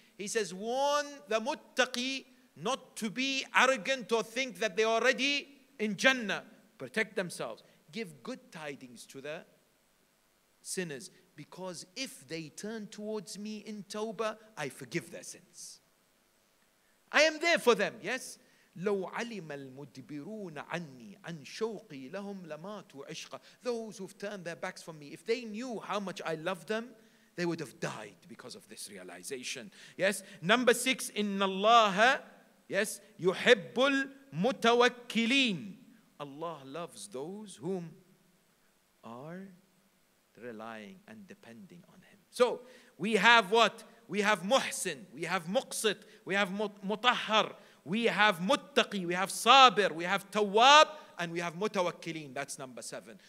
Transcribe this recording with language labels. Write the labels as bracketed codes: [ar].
[en] He says, warn the muttaqi not to be arrogant or think that they are already in Jannah. Protect themselves. Give good tidings to the sinners, because if they turn towards me in tawbah, I forgive their sins. I am there for them. Yes? [ar] لو علم المدبرون عني عن شوقي لهم لماتوا عشقا. [en] Those who've turned their backs from me, if they knew how much I love them, they would have died because of this realization. Yes. Number six, [ar] إن الله, [en] yes, [ar] يحب المتوكلين. [en] Allah loves those whom are relying and depending on Him. So we have what? We have محسن, we have مقصد, we have مطهر. We have muttaqi, we have sabir, we have tawwab, and we have mutawakkilin. That's number seven.